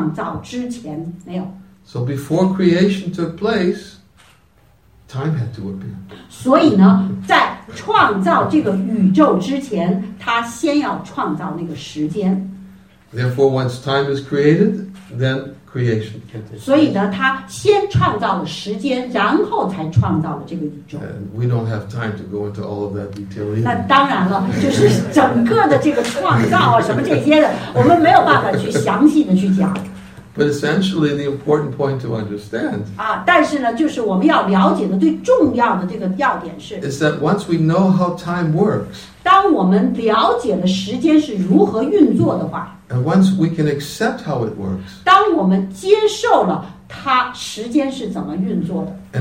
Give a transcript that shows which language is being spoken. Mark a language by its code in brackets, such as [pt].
[zh] 因为如果没有整个时间的话，怎么会有这样的一个宇宙存在呢？就是宇宙存在在这个时间创造之前没有。 [en] So before creation took place, time had to appear. [zh] 所以呢，在创造这个宇宙之前，他先要创造那个时间。 [en] Therefore, once time is created, then creation can take place. [zh] 所以呢，他先创造了时间，然后才创造了这个宇宙。 [en] And we don't have time to go into all of that detail. [zh] 那当然了，就是整个的这个创造啊，什么这些的，我们没有办法去详细的去讲。 [en] But essentially, the important point to understand. [zh] 但是呢，就是我们要了解的最重要的这个要点是。 [en] Is that once we know how time works. [zh] 当我们了解了时间是如何运作的话。 [en] And once we can accept how it works. [zh] 当我们接受了它时间是怎么运作的。